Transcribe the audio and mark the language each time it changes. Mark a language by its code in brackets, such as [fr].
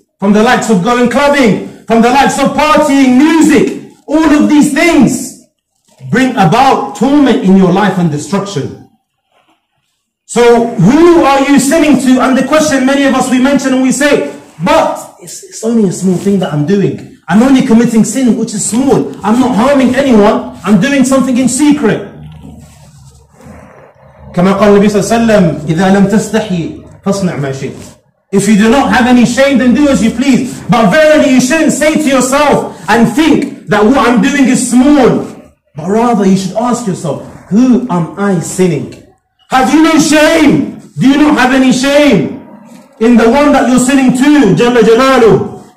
[en] From the likes of going clubbing, from the likes of partying, music, all of these things bring about torment in your life and destruction. So who are you sinning to? And the question many of us, we mention and we say, but it's only a small thing that I'm doing. I'm only committing sin, which is small. I'm not harming anyone. I'm doing something in secret. [ar] كما قال النبي صلى الله عليه وسلم إذا لم تستحي فاصنع ما شئت. [en] If you do not have any shame, then do as you please. But verily, you shouldn't say to yourself and think that what I'm doing is small. But rather, you should ask yourself, who am I sinning? Have you no shame? Do you not have any shame in the one that you're sinning to, Jalla Jalalu?